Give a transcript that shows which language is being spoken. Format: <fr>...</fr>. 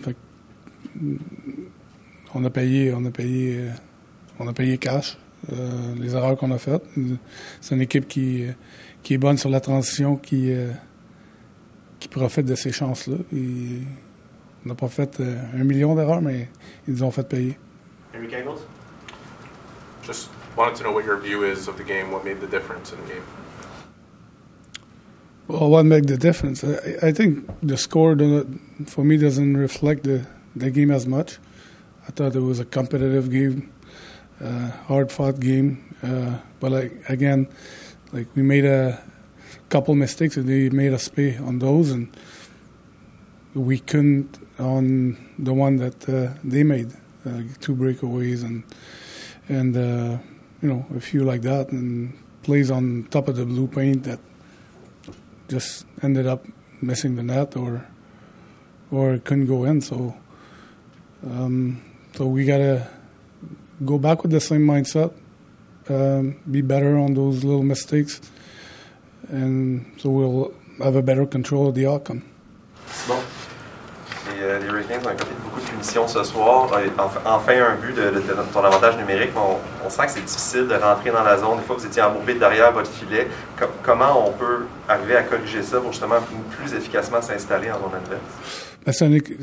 <fr>Fait que on a payé cash les erreurs qu'on a faites. C'est une équipe qui est bonne sur la transition, qui profite de ces chances-là. Et on n'a pas fait un million d'erreurs, mais ils nous ont fait payer. Henry Cagles?</fr> <en>Just wanted to know what your view is of the game, what made the difference in the game. Well, what makes the difference? I think the score, for me, doesn't reflect the game as much. I thought it was a competitive game, hard-fought game. But we made a couple mistakes, and they made us pay on those, and we couldn't on the one that they made, two breakaways and a few like that, and plays on top of the blue paint that just ended up missing the net or couldn't go in. So we got to go back with the same mindset, be better on those little mistakes, and so we'll have a better control of the outcome.</en> <fr>Bon. Les Hurricanes ont accordé beaucoup de punitions ce soir. Enfin, un but de ton avantage numérique. On sent que c'est difficile de rentrer dans la zone. Des fois, vous étiez embourbé derrière votre filet. Comment on peut arriver à corriger ça pour justement plus efficacement s'installer en zone adverse?</fr>